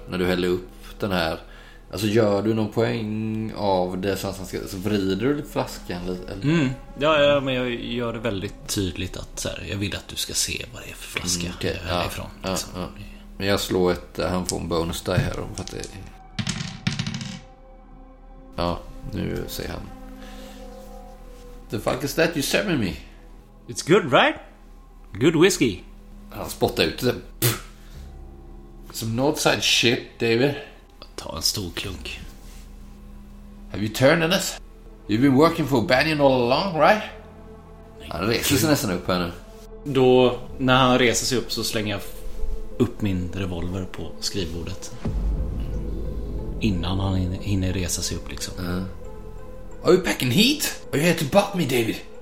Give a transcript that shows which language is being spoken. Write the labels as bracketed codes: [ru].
[sv] När du häller upp den här, alltså gör du någon poäng av det som ska, så vrider du flaskan eller? Mm. Ja, ja, men jag gör det väldigt tydligt att så här, jag vill att du ska se vad det är för flaska. Mm, okay. Jag är ifrån, liksom. Men jag slår ett, han får en bonus där här för att det är... Ja, nu säger han: [en] "The fuck is that you sent me? It's good, right? Good whiskey." [sv] Han spottar ut det. [en] "Some Northside shit, [sv] David." Ta en stor klunk. [en] "Have you turned on us? You've been working for Banyan all along, right?" [sv] Han reser sig nästan upp här nu. Då, när han reser sig upp, så slänger jag upp min revolver på skrivbordet. Innan han hinner resa sig upp, liksom. [en] "Are you packing heat? Are you here to butt me, David?"